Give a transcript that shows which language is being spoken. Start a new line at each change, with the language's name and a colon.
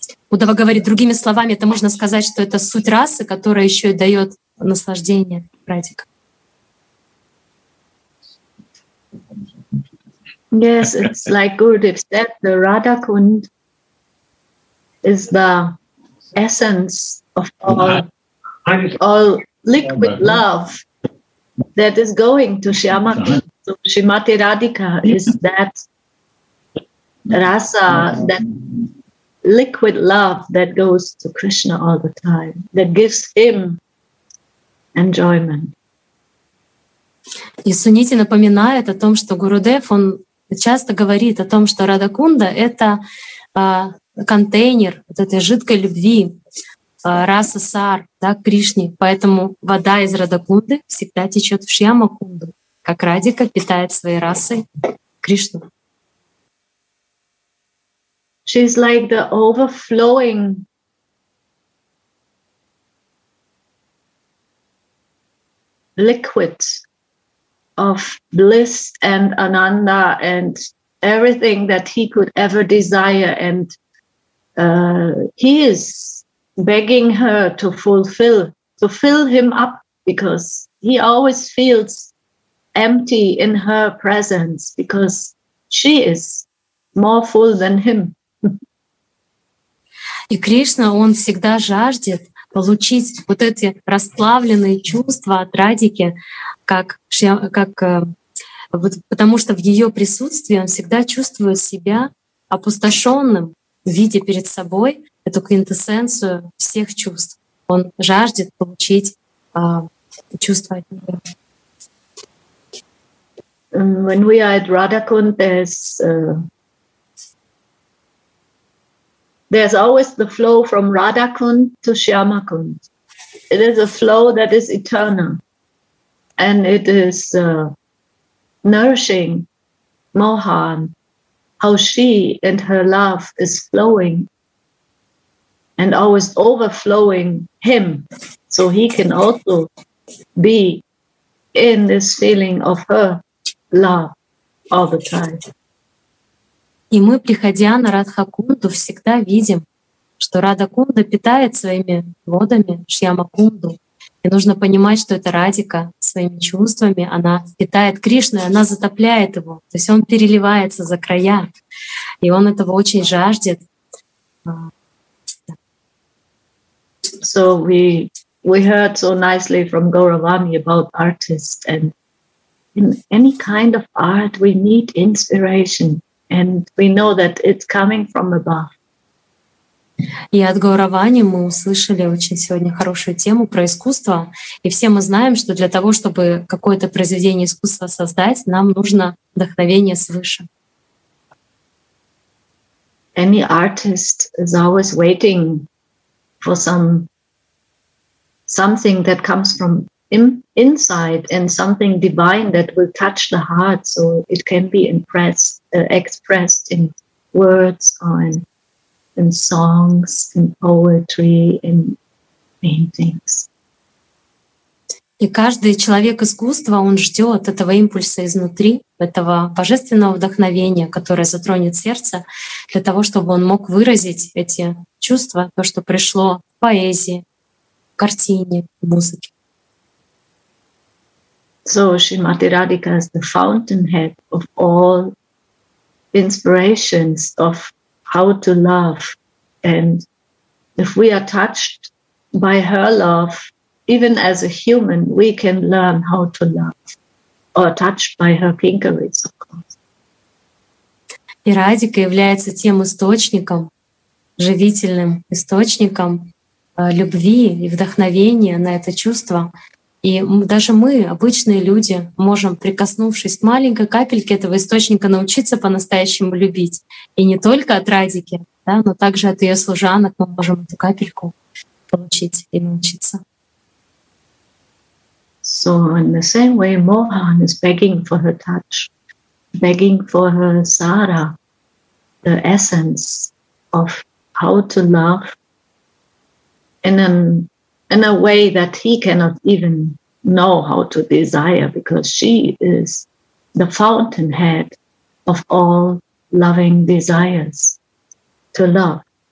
Russian: Удава говорит другими словами, это можно сказать, что это суть расы, которая еще и дает наслаждение практика.
English: Yes, it's like Gurudev said, the Radha Kund is the essence of all liquid love that is going to Shyamaki. So Shrimati Radhika is that rasa, that liquid love that goes to Krishna all the time, that gives him enjoyment.
Russian: И Сунити напоминает о том, что Гурудев, он часто говорит о том, что Радха Кунда — это контейнер вот этой жидкой любви, раса сар, да, к Кришне. Поэтому вода из Радха Кунды всегда течет в Шьяма Кунду, как Радика питает своей расой Кришну.
English: She's like the overflowing liquid of bliss and ananda and everything that he could ever desire. And he is begging her to fulfill, to fill him up, because he always feels empty in her presence, because she is more full than him.
Russian: И Кришна, он всегда жаждет получить вот эти расплавленные чувства от Радики, вот, потому что в ее присутствии он всегда чувствует себя опустошенным, видя перед собой эту квинтэссенцию всех чувств. Он жаждет получить чувства от нее.
English: When we are at Radha Kund, there's always the flow from Radha Kund to Shyama Kund. It is a flow that is eternal, and it is nourishing Mohan, how she and her love is flowing and always overflowing him, so he can also be in this feeling of her love all the time.
Russian: И мы, приходя на Радха Кунду, всегда видим, что Радха Кунда питает своими водами Шьяма Кунду. И нужно понимать, что это Радика своими чувствами, она питает Кришну, и она затопляет его. То есть он переливается за края, и он этого очень жаждет.
English: So we heard so nicely from Gauravani about artists, and in any kind of art we need inspiration. And we know that it's coming from above.
Russian: И от Гауравани мы услышали очень сегодня хорошую тему про искусство. И все мы знаем, что для того, чтобы какое-то произведение искусства создать, нам нужно вдохновение свыше.
English: Any artist is always waiting for something that comes from inside and something divine that will touch the heart, so it can be expressed in words or in songs, in poetry, in paintings.
Russian: И каждый человек искусства, он ждет этого импульса изнутри, этого божественного вдохновения, которое затронет сердце, для того, чтобы он мог выразить эти чувства, то, что пришло в поэзии, в картине, в музыке.
English: So Srimati Radhika is the fountainhead of all inspirations of how to love. And if we are touched by her love, even as a human, we can learn how to love, or touched by her pinkeries, of course.
Russian: И Радика является тем источником, живительным источником любви и вдохновения на это чувство. И даже мы, обычные люди, можем, прикоснувшись к маленькой капельке этого источника, научиться по-настоящему любить. И не только от Радики, да, но также от ее служанок мы можем эту капельку получить и научиться.
English: So in the same way, Mohan is begging for her touch, begging for her Sara, the essence of how to love in a way that he cannot even know how to desire, because she is the fountainhead of all loving desires to love.